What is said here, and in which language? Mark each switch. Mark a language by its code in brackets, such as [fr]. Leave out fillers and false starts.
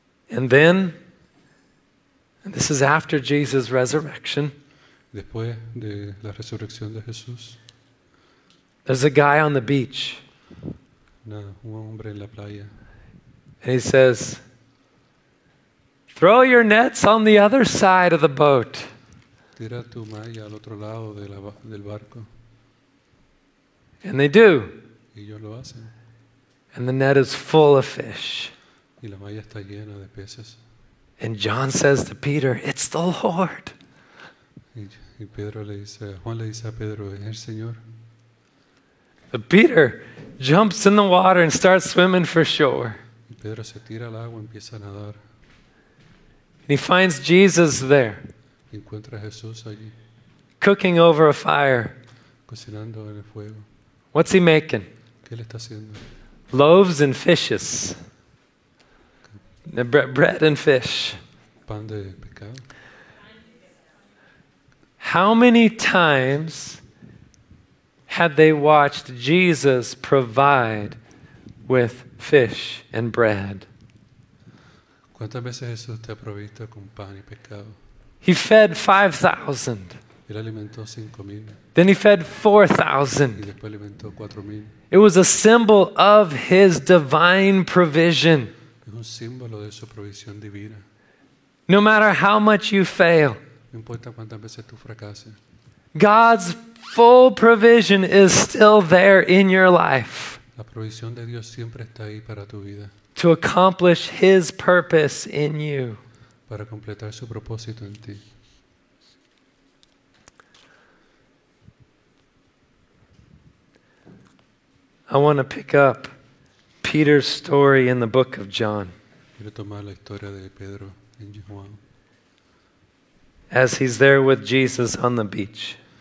[en] And then, and this is after Jesus' resurrection. [es] Después de la resurrección de Jesús. [en] There's a guy on the beach. [es] No, un hombre en la playa. [en] And he says, "Throw your nets on the other side of the boat." [es] Tira tu malla al otro lado del barco. [en] And they do. [es] Y ellos lo hacen. [en] And the net is full of fish. [es] Y la malla está llena de peces. [en] And John says to Peter, "It's the Lord." [es] Y Pedro le dice, Juan le dice a Pedro, "Es el Señor." [en] So Peter jumps in the water and starts swimming for shore. [es] Y Pedro se tira al agua y empieza a nadar. [en] And he finds Jesus there. [es] Encuentra a Jesús allí. [en] Cooking over a fire. [es] Cocinando en el fuego. [en] What's he making? [es] ¿Qué le está haciendo? [en] Loaves and fishes. Okay. Bread and fish. [es] Pan de pescado. [en] How many times had they watched Jesus provide with fish and bread? [es] ¿Cuántas veces Jesús te ha provisto con pan y pescado? [en] He fed 5,000. [es] Él alimentó 5,000. [en] Then he fed 4,000. [es] Y después alimentó 4,000. [en] It was a symbol of his divine provision. [es] Es un símbolo de su provisión divina. [en] No matter how much you fail, [es] no importa cuántas veces tú fracases, [en] God's full provision is still there in your life. [es] La provisión de Dios siempre está ahí para tu vida. [en] To accomplish his purpose in you. [es] Para completar su propósito en ti. [en] I want to pick up Peter's story in the book of John. [es] Quiero tomar la historia de Pedro en Juan. [en] As he's there with Jesus on the beach.